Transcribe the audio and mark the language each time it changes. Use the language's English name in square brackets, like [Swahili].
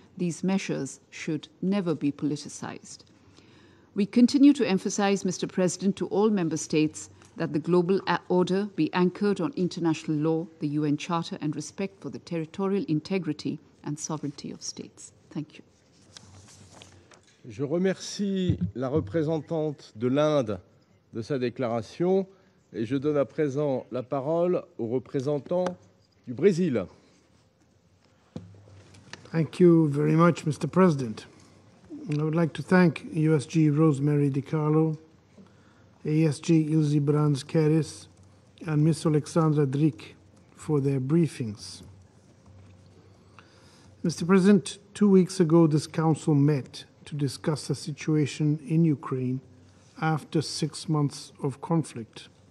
[English] These measures should never be politicized. We continue to emphasize, Mr. President, to all member states that the global order be anchored on international law, the UN Charter, and respect for the territorial integrity and sovereignty of states. Thank you. [French] Je remercie la représentante de l'Inde de sa déclaration et je donne à présent la parole au représentant du Brésil. [English] Thank you very much, Mr. President. I would like to thank USG Rosemary DiCarlo, ASG Ilse Brands-Keris, and Ms. Alexandra Drick for their briefings. Mr. President, 2 weeks ago this Council met to discuss the situation in Ukraine after 6 months of conflict.